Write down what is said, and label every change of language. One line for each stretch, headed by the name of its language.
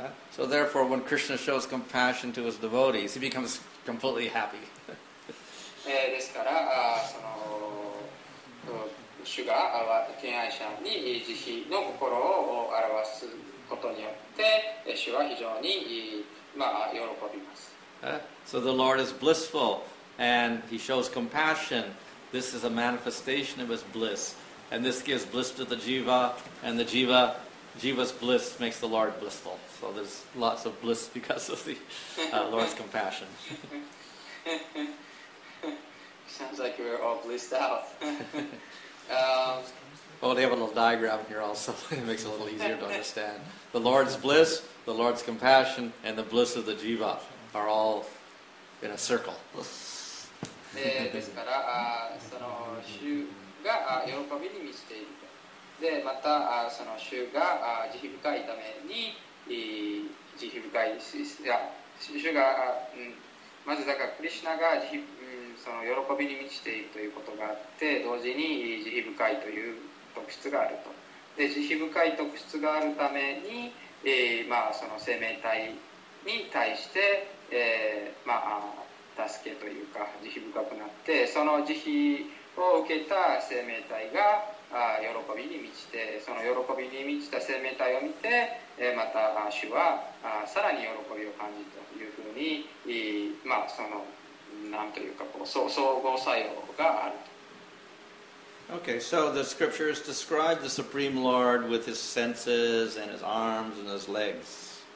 English: So therefore, when Krishna shows compassion to his devotees, he becomes completely happy.
Japanese: ですから、その主が敬愛者に慈悲の心を表すことによって、主は非常に、喜びます。
English: So the Lord is blissful and he shows compassion. This is a manifestation of his bliss. And this gives bliss to the Jiva, and the Jiva's bliss makes the Lord blissful. So there's lots of bliss because of the Lord's compassion. Sounds like we're all blissed out. they have a little diagram here also. It makes it a little easier to understand. The Lord's bliss, the Lord's compassion, and the bliss of the Jiva are all in a circle.
Japanese: ですから、その主が喜びに満ちている。で、また、その主が慈悲深いために、慈悲深い、主が、まずだから、クリシュナが慈悲、その喜びに満ちているということがあって、同時に慈悲深いという特質があると。で、慈悲深い特質があるために、その生命体に対して、助けというか慈悲深くなって、その慈悲を受けた生命体が喜びに満ちて、その喜びに満ちた生命体を見て、また主はさらに喜びを感じるというふうに、その何というかこう相互作用があると。
English: Okay, so the scriptures describe the Supreme Lord with his senses and his arms and his legs.